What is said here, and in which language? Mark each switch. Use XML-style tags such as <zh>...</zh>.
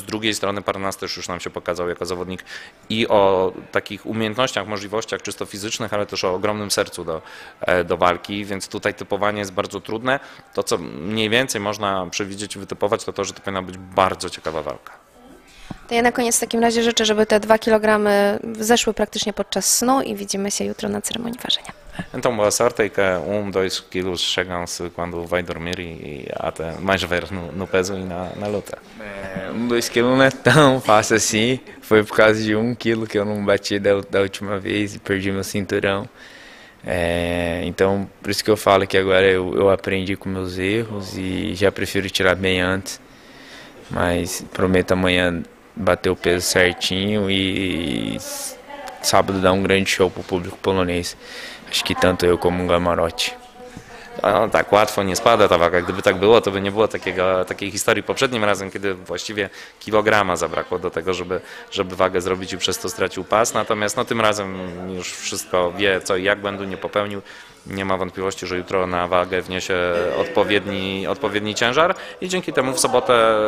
<pl>Z drugiej strony Parnas też już nam się pokazał jako zawodnik i o takich umiejętnościach, możliwościach czysto fizycznych, ale też o ogromnym sercu do walki, więc tutaj typowanie jest bardzo trudne. To, co mniej więcej można przewidzieć i wytypować, to to, że to powinna być bardzo ciekawa walka. To ja na koniec w takim razie życzę, żeby te 2 kilogramy zeszły praktycznie podczas snu i widzimy się jutro na ceremonii ważenia.</pl> <pt>Então, boa sorte, que 2 quilos chegam-se quando vai dormir e até mais ver no peso e na luta. 2 quilos não é tão fácil assim, foi por causa de 1 quilo que eu não bati da última vez e perdi meu cinturão. Então, por isso que eu falo que agora eu aprendi com meus erros e já prefiro tirar bem antes, mas prometo amanhã bater o peso certinho e sábado dar um grande show pro público polonês. Acho que tanto eu como o Gamarote.</pt> <pl>No, tak łatwo nie spada ta waga. Gdyby tak było, to by nie było takiej historii poprzednim razem, kiedy właściwie kilograma zabrakło do tego, żeby wagę zrobić i przez to stracił pas. Natomiast no, tym razem już wszystko wie, co i jak błędu nie popełnił. Nie ma wątpliwości, że jutro na wagę wniesie odpowiedni ciężar i dzięki temu w sobotę da show i jest przekonany, że Mateusz Gamrot też.</pl>